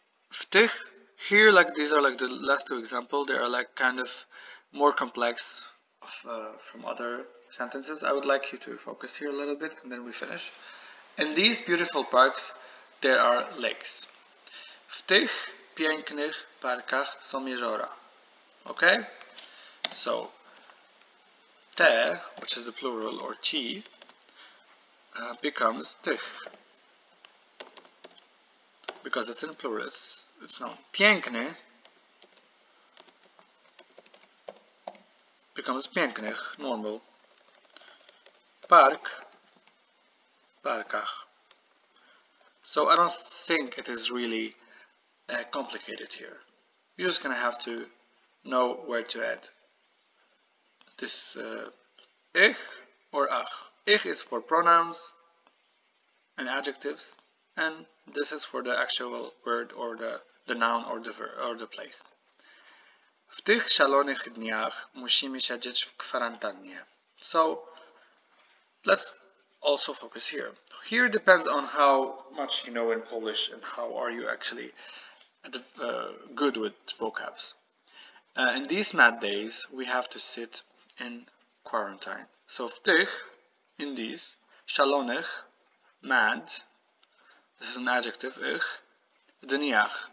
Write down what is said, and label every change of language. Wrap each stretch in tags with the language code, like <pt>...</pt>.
<pl>W tych,</pl> <en>here, like, these are like the last two examples. They are like kind of more complex from other sentences. I would like you to focus here a little bit and then we finish. In these beautiful parks, there are lakes.</en> <pl>W tych pięknych parkach są jeziora.</pl> <en>Okay? So, te, which is the plural, or ci, becomes tych. Because it's in plural, it's not. Piękny becomes pięknych, normal. Park, parkach. So I don't think it is really complicated here. You're just gonna have to know where to add this ich or ach. Ich is for pronouns and adjectives, and this is for the actual word or the noun or the ver or the place.</en> <pl>W tych szalonych dniach musimy siedzieć w kwarantannie.</pl> <en>So let's also focus here. Here depends on how much you know in Polish and how are you actually good with vocabs. In these mad days, we have to sit in quarantine. So w tych, in these, szalonych, mad, this is an adjective, ich, dniach.</en>